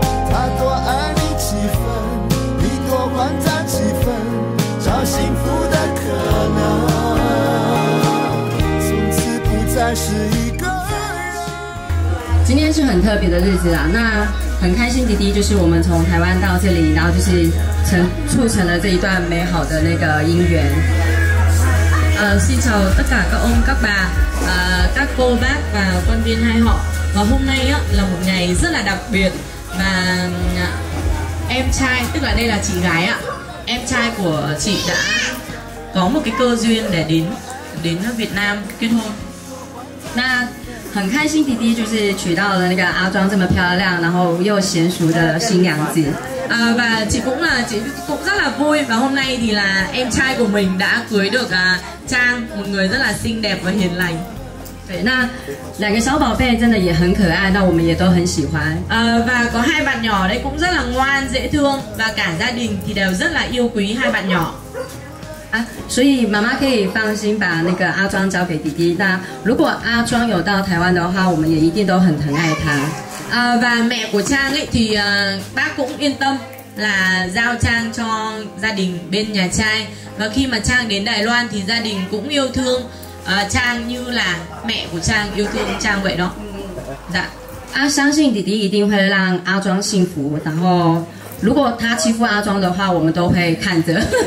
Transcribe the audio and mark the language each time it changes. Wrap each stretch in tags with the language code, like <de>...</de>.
<zh>她多爱你几分，你多还她几分，幸福的可能，从此不再是一个人。今天是很特别的日子啦，那很开心，迪迪就是我们从台湾到这里，然后就是促成了这一段美好的那个姻缘。</zh> <vi>xin chào tất cả các ông các bà, các cô bác và quan viên hai họ. Và hôm nay á là một ngày rất là đặc biệt, và em trai, tức là đây là chị gái ạ. Em trai của chị đã có một cái cơ duyên để đến Việt Nam kết hôn.</vi> <zh>那很开心，弟弟就是娶到了那个阿庄这么漂亮，然后又娴熟的新娘子。</zh> <vi>và chị cũng là chị cũng rất là vui, và hôm nay thì là em trai của mình đã cưới được Trang, một người rất là xinh đẹp và hiền lành.</vi> <zh>对，那两个小宝贝真的也很可爱，那我们也都很喜欢。</zh> <vi>và có hai bạn nhỏ đấy cũng rất là ngoan dễ thương, và cả gia đình thì đều rất là yêu quý hai bạn nhỏ.</vi> <zh>啊，所以妈妈可以放心把那个阿庄交给弟弟。那如果阿庄有到台湾的话，我们也一定都很疼爱他。</zh> <vi>và mẹ của Trang ấy thì bác cũng yên tâm là giao Trang cho gia đình bên nhà trai, và khi mà Trang đến Đài Loan thì gia đình cũng yêu thương. Trang như là mẹ của Trang yêu thương Trang vậy đó. Dạ.</vi> <zh>À, 相信弟弟一定会让阿庄幸福，然后如果他欺负阿庄的话，我们都会看着。</zh>